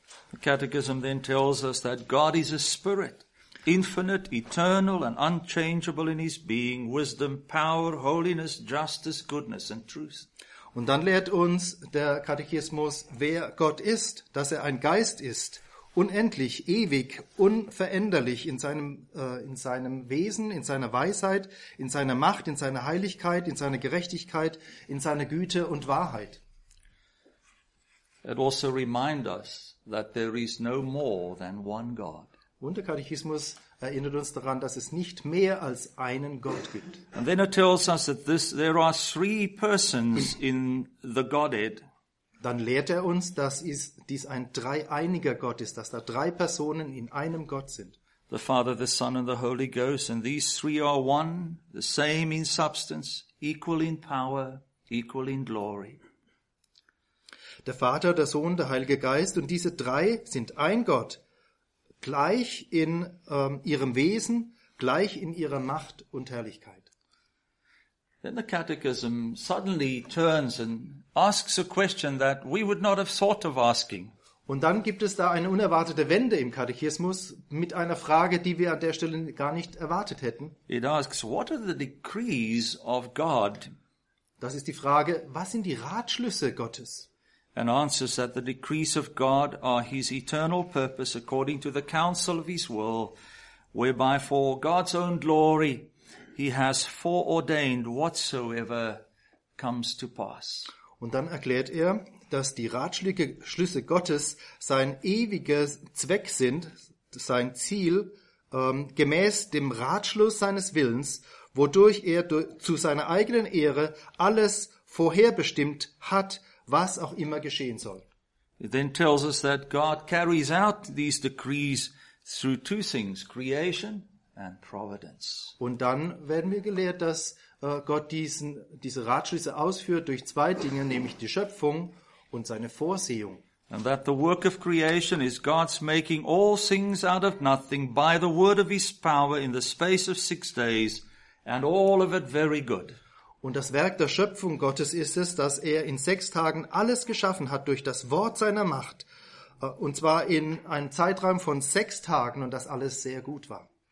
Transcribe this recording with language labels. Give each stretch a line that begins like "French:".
English: The Catechism then tells us that God is a spirit, infinite, eternal and unchangeable in his being, wisdom, power, holiness, justice, goodness and truth.
German: Und dann lehrt uns der Katechismus, wer Gott ist, dass er ein Geist ist, unendlich, ewig, unveränderlich in seinem Wesen, in seiner Weisheit, in seiner Macht, in seiner Heiligkeit, in seiner Gerechtigkeit, in seiner Güte und Wahrheit.
English: It also reminds us that there is no more than one God.
German: Und der Katechismus erinnert uns daran, dass es nicht mehr als einen Gott gibt.
English: And then it tells us that there are three persons in the Godhead.
German: Dann lehrt er uns, dass dies ein dreieiniger Gott ist, dass da drei Personen in einem Gott sind.
English: The Father, the Son and the Holy Ghost, and these three are one, the same in substance, equal in power, equal in glory.
German: Der Vater, der Sohn, der Heilige Geist und diese drei sind ein Gott, gleich in ihrem Wesen, gleich in ihrer Macht und Herrlichkeit.
English: Then the catechism suddenly turns and asks a question that we would not have thought of asking.
German: Und dann gibt es da eine unerwartete Wende im Katechismus mit einer Frage, die wir an der Stelle gar nicht erwartet hätten.
English: It asks, what are the decrees of God?
German: Das ist die Frage, was sind die Ratschlüsse Gottes?
English: And answers that the decrees of God are his eternal purpose according to the counsel of his will, whereby for God's own glory he has foreordained whatsoever comes to pass.
German: Und dann erklärt er, dass die Ratschlüsse Gottes sein ewiger Zweck sind, sein Ziel, gemäß dem Ratschluss seines Willens, wodurch er zu seiner eigenen Ehre alles vorherbestimmt hat, was auch immer geschehen soll.
English: It then tells us that God carries out these decrees through two things, creation and providence.
German: Und dann werden wir gelehrt, dass Gott diese Ratschlüsse ausführt durch zwei Dinge, nämlich die Schöpfung und seine Vorsehung.
English: And that the work of creation is God's making all things out of nothing by the word of his power in the space of 6 days and all of it very good.
German: Und das Werk der Schöpfung Gottes ist es, dass er in 6 Tagen alles geschaffen hat durch das Wort seiner Macht. Und zwar in einem Zeitraum von 6 Tagen und das alles sehr gut war.